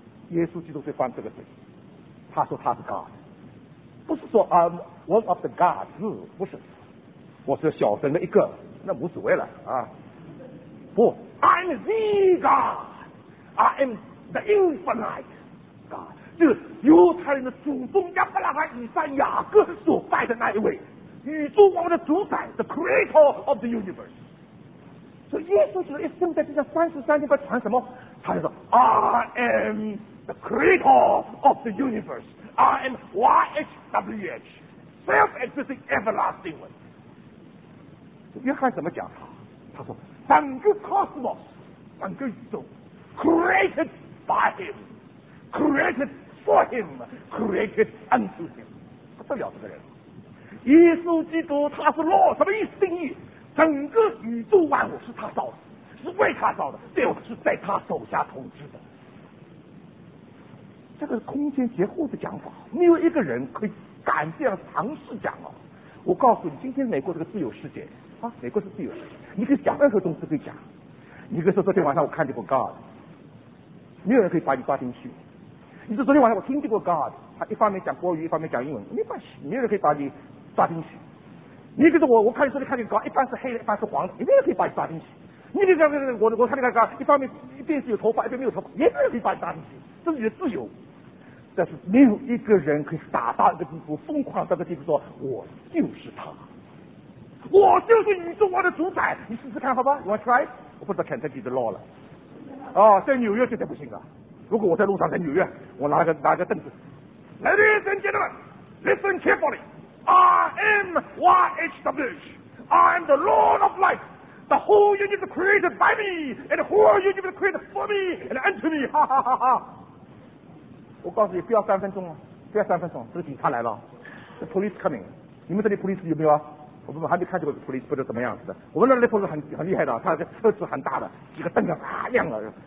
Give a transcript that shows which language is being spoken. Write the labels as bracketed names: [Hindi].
[Chinese] 耶稣基督就犯这个罪，他说他是 God， 不是说 [English] I'm one of the gods， [Chinese] 不是，我是小神的一个，那无所谓了啊。不 ， [English] I'm the God，I am the infinite God， [Chinese] 就是犹太人的祖宗亚伯拉罕、以撒、雅各所拜的那一位，宇宙王的主宰 ， [English] the creator of the universe。 [Chinese] 所以耶稣基督一生在地上三十三天，他传什么？ [English] 他就说 ：“I am the creator of the universe. I am YHWH, self-existing everlasting one。” [Chinese] 约翰怎么讲他？他说：“ [English] 整个 cosmos， [Chinese] 整个宇宙 [English] ，created by him, created for him, created unto him。” [Chinese] 不得了，这个人。耶稣基督他是 Lord， 什么意思？定义？整个宇宙万物是他造的，是为他造的，最后是在他手下统治的。这个空间结构的讲法，没有一个人可以敢这样尝试讲哦。我告诉你，今天美国是个自由世界啊，美国是自由世界，你可以讲任何东西可以讲。你可以说昨天晚上我看见过 God， 没有人可以把你抓进去。你说昨天晚上我听见过 God， 他一方面讲国语，一方面讲英文，没关系，没有人可以把你抓进去。你给我看你这里看见高，一半是黑的，一半是黄的，一定可以把你抓进去。你给我看见高，一方面一边是有头发，一边没有头发，一定可以把你抓进去。这是你的自由，但是没有一个人可以打到一个地步，疯狂到个地步说，我就是他，我就是宇宙王的主宰。你试试看好吧 ？ [English] You want try？ [Chinese] 我不知道 Kentucky 的 law 了。哦，在纽约绝对不行啊，如果我在路上在纽约，我拿个凳子。 [English] Ladies and gentlemen, listen carefully. I'm the Lord of Life. The whole universe created by me, and the whole universe created for me and unto me. 哈哈哈哈！ [Chinese] 我告诉你，不要三分钟啊，不要三分钟，这个警察来了 ， [English] the police coming。 [Chinese] 你们这里 police 有没有啊？我们还没看这个 police 不知道怎么样子的。我们那里 police 很厉害的，他的车子很大的，几个灯啊亮了。